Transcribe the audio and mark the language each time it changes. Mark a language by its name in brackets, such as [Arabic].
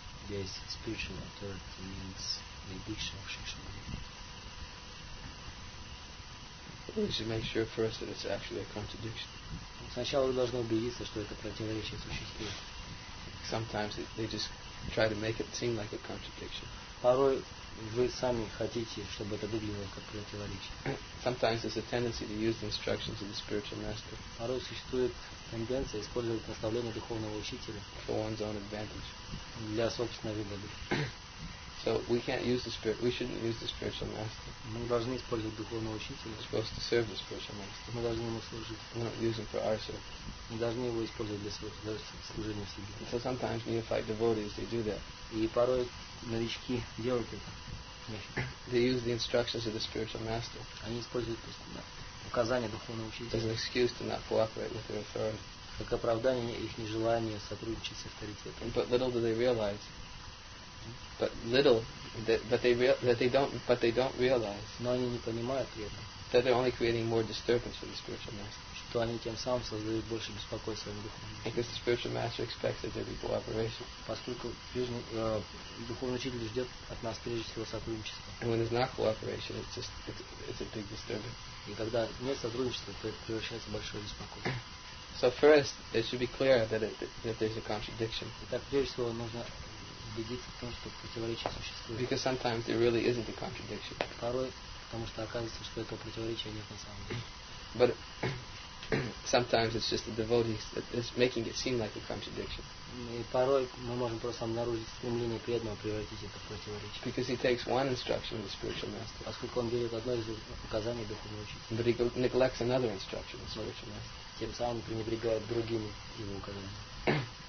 [English] there is spiritual authority means the addiction of Shikshamani. We should make sure first that it's actually a contradiction. [Russian] Сначала вы должны убедиться, что это противоречие существует. [English] Sometimes they just try to make it seem like a contradiction. [Russian] Порой вы сами хотите, чтобы это выглядело как противоречие. [English] Sometimes there's a tendency to use the instructions of the spiritual master. [Russian] Порой существует тенденция использовать наставления духовного учителя. [English] For one's own advantage. [Russian] Для собственной выгоды. [English] So we can't use the spirit. We shouldn't use the spiritual master. [Russian] Мы должны использовать духовного учителя. [English] We're supposed to serve the spiritual master. [Russian] Мы должны ему служить. [English] Not use him for our service. [Russian] Мы должны его использовать для своего служения себе. [English] So sometimes neophyte devotees they do that. [Russian] И порой новички делают это. [English] They use the instructions of the spiritual master. [Russian] Они используют указания духовного учителя. [English] As an excuse to not cooperate with their authority. [Russian] Как оправдание их нежелания сотрудничать с авторитетом. [English] But little do they realize. But they don't realize. [Russian] Но они не понимают этого. [English] That they're only creating more disturbance for the spiritual master. [Russian] Что они тем самым создают больше беспокойства для духовного учителя. [English] Because the spiritual master expects that there be cooperation. [Russian] Поскольку духовный учитель ждет от нас прежде всего сотрудничества. [English] And when there's not cooperation, it's a big disturbance. [Russian] И когда нет сотрудничества, то это превращается в большое беспокойство. [English] So first, it should be clear that there's a contradiction. [Russian] Итак, прежде всего нужно убедиться в том, что противоречие существует. [English] Because sometimes there really isn't a contradiction. [Russian] Порой, потому что оказывается, что этого противоречия нет на самом деле. [English] But sometimes it's just the devotee is making it seem like a contradiction. [Russian] И порой мы можем просто обнаружить стремление преданного превратить это в противоречие. [English] Because he takes one instruction of the spiritual master. [Russian] Поскольку он берет одно из указаний духовного учителя. [English] But he neglects another instruction of the spiritual master. [Russian] Тем самым пренебрегает другими его указаниями.